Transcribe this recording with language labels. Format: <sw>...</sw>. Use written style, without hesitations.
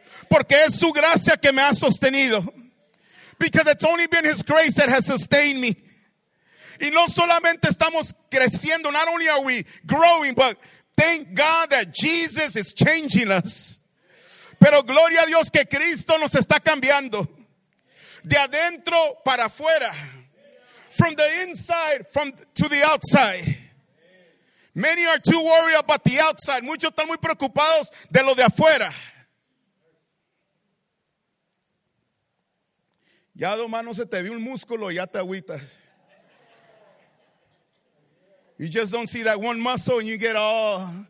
<es>Porque es su gracia que me ha sostenido.</es> <en>Because it's only been his grace that has sustained me.</en> <es>Y no solamente estamos creciendo,</es> <en>not only are we growing, but thank God that Jesus is changing us.</en> <es>Pero gloria a Dios que Cristo nos está cambiando. De adentro para afuera.</es> <en>From the inside, from to the outside. Many are too worried about the outside.</en> <es>Muchos están muy preocupados de lo de afuera. Ya dos manos se te vio un músculo, ya te agüitas.</es> <en>You just don't see that one muscle and you get all.</en>